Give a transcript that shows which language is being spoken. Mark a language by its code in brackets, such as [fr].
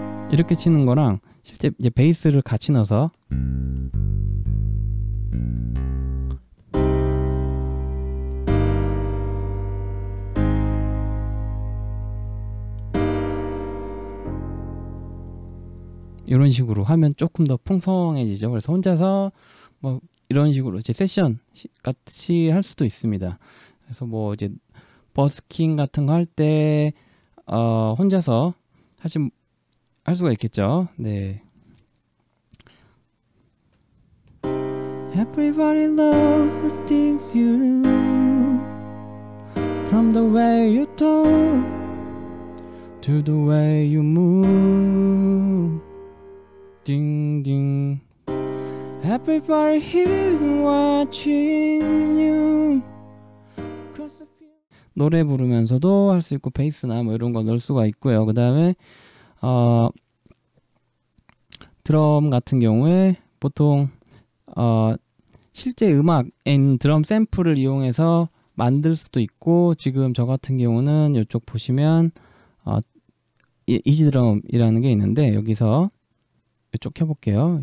[ko] 이렇게 치는 거랑 실제 이제 베이스를 같이 넣어서 이런 식으로 하면 조금 더 풍성해지죠. 그래서 혼자서 뭐 이런 식으로 이제 세션 같이 할 수도 있습니다. 그래서 뭐 이제 버스킹 같은 거 할 때 혼자서 사실 할 수가 있겠죠. 네. [en] Everybody loves the things you do from the way you talk to the way you move. [ko] 딩딩 [en] Everybody here watching you [ko] 노래 부르면서도 할 수 있고 베이스나 뭐 이런 거 넣을 수가 있고요. 그 다음에 드럼 같은 경우에 보통 실제 음악인 드럼 샘플을 이용해서 만들 수도 있고 지금 저 같은 경우는 이쪽 보시면 이지 드럼이라는 게 있는데 여기서 이쪽 켜볼게요.